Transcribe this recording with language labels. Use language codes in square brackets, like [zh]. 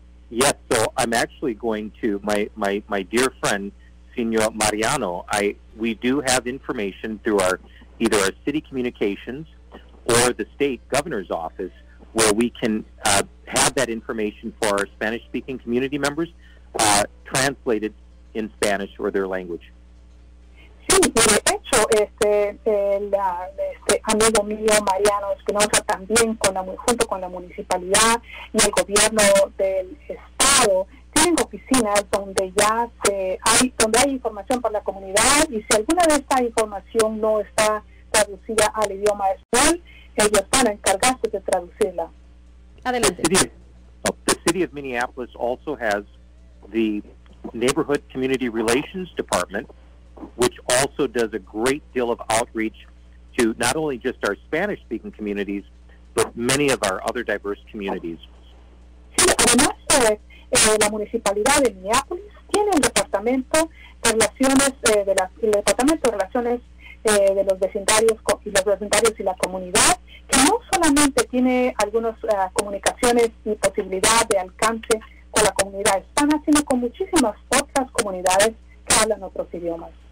[en] Yes, so I'm actually going to, my dear friend, Senor Mariano, we do have information through either our city communications or the state governor's office where we can have that information for our Spanish-speaking community members translated in Spanish or their language. [es] Sí, de hecho, amigo mío Mariano Espinosa también junto con la municipalidad y el gobierno del estado tienen oficinas donde ya hay información para la comunidad, y si alguna de esta información no está traducida al idioma español, ellos van a encargarse de traducirla. Adelante. [en] The city of Minneapolis also has the Neighborhood Community Relations Department, which also does a great deal of outreach to not only just our Spanish-speaking communities, but many of our other diverse communities. [es] Sí, además, la municipalidad de Minneapolis tiene un departamento de relaciones, de los vecindarios y los vecindarios y la comunidad, que no solamente tiene algunas comunicaciones y posibilidad de alcance con la comunidad hispana, sino con muchísimas otras comunidades que hablan otros idiomas.